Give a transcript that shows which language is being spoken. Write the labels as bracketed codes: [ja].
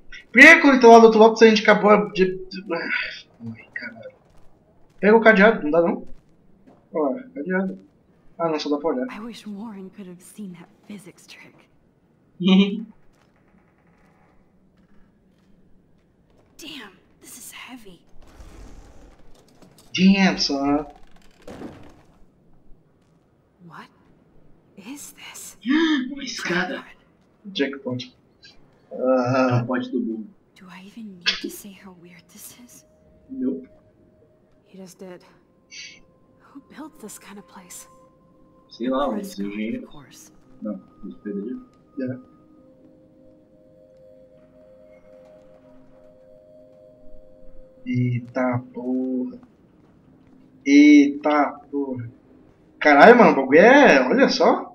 [pt] Por que ele tá lá do outro lado se a gente acabou de. Ai, caralho. Pega o cadeado, não dá não? Ó, cadeado. Ah, não, só dá pra olhar. [en] I wish Warren could have seen that physics trick. Damn, this is heavy. Damn, son. What is this? [pt] Uma escada. [en] Jackpot. [pt] Jackpot do boom. [en] Do I even need to say how weird this is? Nope. He just did. Who built this kind of place? [pt] Sei lá, um engenheiro. [en] Of course. [pt] Não, os pedreiros. [en] Yeah. [pt] Eita porra. Eita porra. Caralho, mano, o bagulho é. Olha só.